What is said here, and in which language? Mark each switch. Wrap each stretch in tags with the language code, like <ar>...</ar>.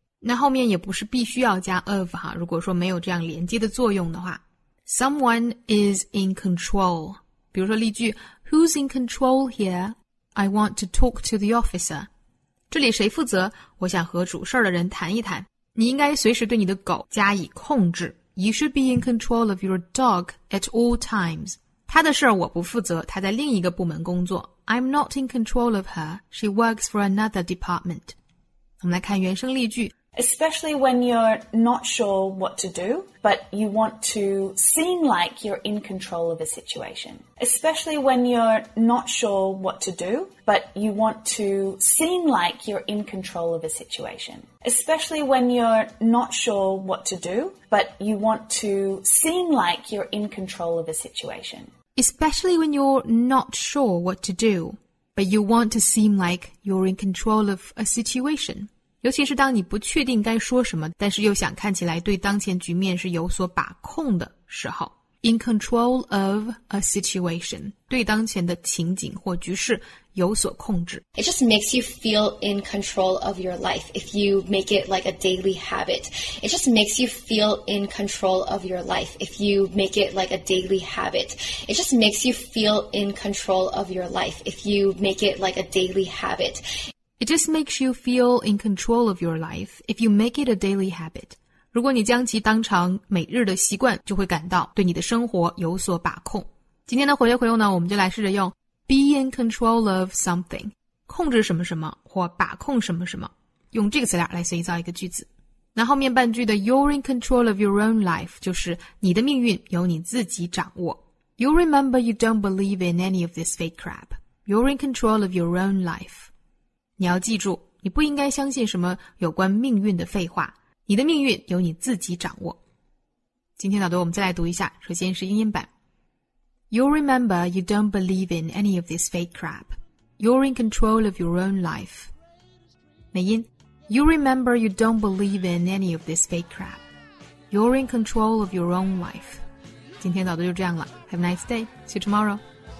<zh>那后面也不是必须要加 of 哈，如果说没有这样连接的作用的话。</zh> <en>Someone is in control.</en> <zh>比如说例句</zh> <en>Who's in control here? I want to talk to the officer.</en> <zh>这里谁负责？我想和主事的人谈一谈。你应该随时对你的狗加以控制。</zh> <en>You should be in control of your dog at all times.</en> <zh>他的事我不负责，他在另一个部门工作。</zh> <en>I'm not in control of her. She works for another department.</en> <zh>我们来看原声例句。</zh> <en>Especially when you're not sure what to do, but you want to seem like you're in control of a situation. Especially when you're not sure what to do, but you want to seem like you're in control of a situation. Especially when you're not sure what to do, but you want to seem like you're in control of a situation. Especially when you're not sure what to do, but you want to seem like you're in control of a situation.</en> <zh>尤其是当你不确定该说什么，但是又想看起来对当前局面是有所把控的时候。</zh> <en>In control of a situation,</en> <zh>对当前的情景或局势有所控制。</zh> <en>It just makes you feel in control of your life if you make it like a daily habit. It just makes you feel in control of your life if you make it like a daily habit. It just makes you feel in control of your life if you make it like a daily habit. It just makes you feel in control of your life if you make it a daily habit.</en> <zh>如果你将其当成每日的习惯，就会感到对你的生活有所把控。今天的活学活用呢，我们就来试着用</zh> <en>be in control of something,</en> <zh>控制什么什么或把控什么什么，用这个词俩来随意造一个句子。那后面半句的</zh> <en>you're in control of your own life,</en> <zh>就是你的命运由你自己掌握。</zh> <en>You remember you don't believe in any of this fake crap. You're in control of your own life.</en> <zh>你要记住，你不应该相信什么有关命运的废话，你的命运由你自己掌握。今天导读我们再来读一下，首先是英音版。</zh> <en>You remember you don't believe in any of this fake crap. You're in control of your own life.</en> <zh>美音。</zh> <en>You remember you don't believe in any of this fake crap. You're in control of your own life.</en> <zh>今天导读就这样了。</zh> <en>Have a nice day. See you tomorrow.</en>